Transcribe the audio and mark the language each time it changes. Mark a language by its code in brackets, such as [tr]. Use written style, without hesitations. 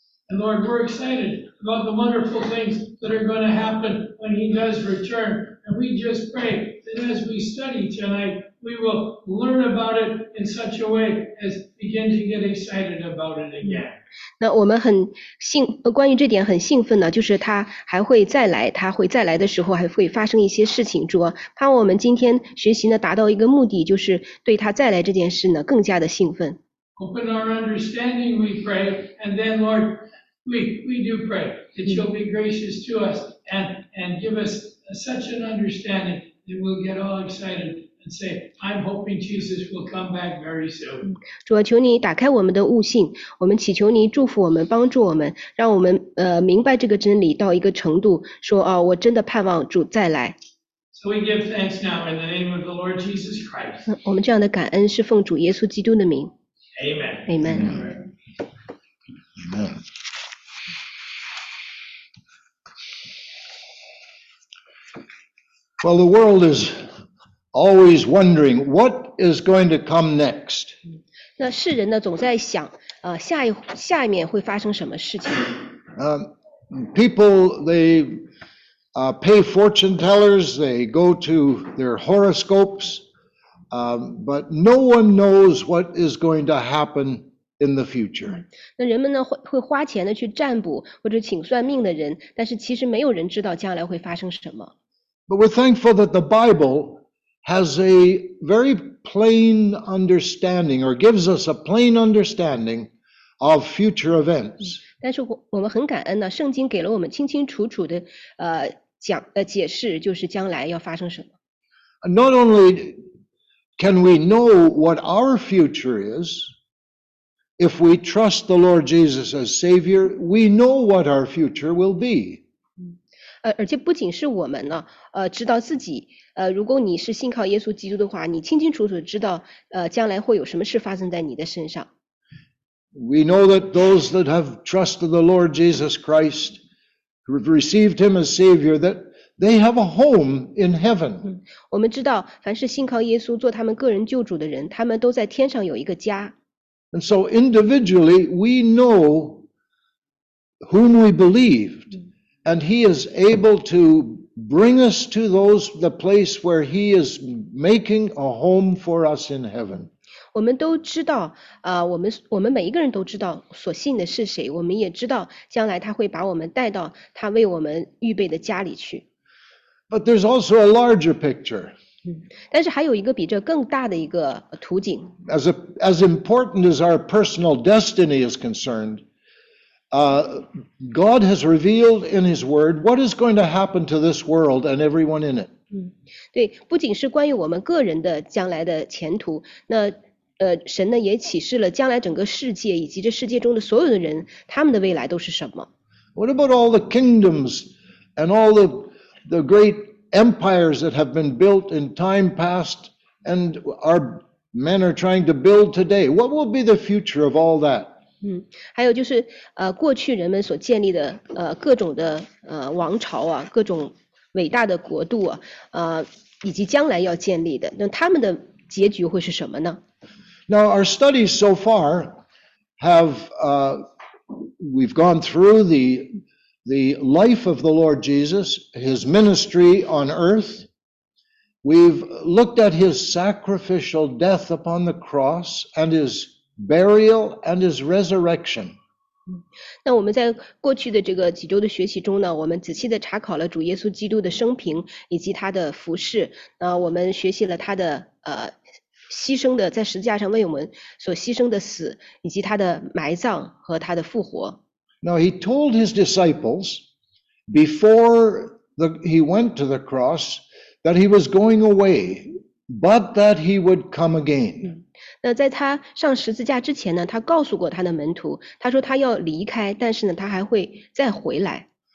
[en] And Lord, we're excited about the wonderful things that are going to happen when He does return. And we just pray that as we study tonight. We will learn about it in such a way as begin to get excited about it again. [zh] 那我们很兴，关于这点很兴奋呢，就是他还会再来，他会再来的时候还会发生一些事情。主啊，盼望我们今天学习呢，达到一个目的，就是对他再来这件事呢，更加的兴奋。 [en] Open our understanding, we pray, and then Lord, we do pray that you'll be gracious to us and give us such an understanding that we'll get all excited. Say, I'm hoping Jesus will come back very soon. [zh] 主啊，求你打开我们的悟性，我们祈求你祝福我们，帮助我们，让我们明白这个真理到一个程度，说啊，我真的盼望主再来。 [en] So we give thanks now in the name of the Lord Jesus Christ. [zh] 我们这样的感恩是奉主耶稣基督的名。 [en] Amen. Amen. Amen. Well, the world is. Always wondering what is going to come next. [zh] 那世人呢总在想，下一面会发生什么事情？ [en] People they pay fortune tellers, they go to their horoscopes, but no one knows what is going to happen in the future. [zh] 那人们呢会花钱的去占卜或者请算命的人，但是其实没有人知道将来会发生什么。 [en] But we're thankful that the Bible. Has a very plain understanding, or gives us a plain understanding of future events. [zh] 但是我们很感恩呢，圣经给了我们清清楚楚的解释，就是将来要发生什么。 [en] Not only can we know what our future is, if we trust the Lord Jesus as Savior, we know what our future will be. [zh] 而且不仅是我们呢，知道自己，如果你是信靠耶稣基督的话，你清清楚楚知道，将来会有什么事发生在你的身上。 [en] We know that those that have trusted the Lord Jesus Christ, who have received Him as Savior, that they have a home in heaven. [zh] 我们知道，凡是信靠耶稣做他们个人救主的人，他们都在天上有一个家。 [en] And so individually, we know whom we believed, and He is able to bring us to those, the place where He is making a home for us in heaven. [zh] 我们都知道，我们每一个人都知道所信的是谁，我们也知道将来他会把我们带到他为我们预备的家里去。 [en] But there's also a larger picture. [zh] 但是还有一个比这更大的一个图景。 [en] As important as our personal destiny is concerned, God has revealed in His Word what is going to happen to this world and everyone in it. [zh] 对，不仅是关于我们个人的将来的前途，那神呢也启示了将来整个世界以及这世界中的所有的人，他们的未来都是什么。 [en] What about all the kingdoms and all the great empires that have been built in time past and our men are trying to build today? What will be the future of all that? [zh] 还有就是过去人们所建立的各种的王朝啊，各种伟大的国度啊，以及将来要建立的，那他们的结局会是什么呢？ [en] Now, our studies so far have, we've gone through the life of the Lord Jesus, His ministry on earth. We've looked at His sacrificial death upon the cross and His burial and His resurrection. [zh] 那我们在过去的这个几周的学习中呢，我们仔细地查考了主耶稣基督的生平以及他的服事。那我们学习了他的牺牲的在十字架上为我们所牺牲的死，以及他的埋葬和他的复活。 [en] Now he told his disciples before he went to the cross that he was going away, but that he would come again. [zh] 那在他上十字架之前呢，他告诉过他的门徒，他说他要离开，但是呢，他还会再回来。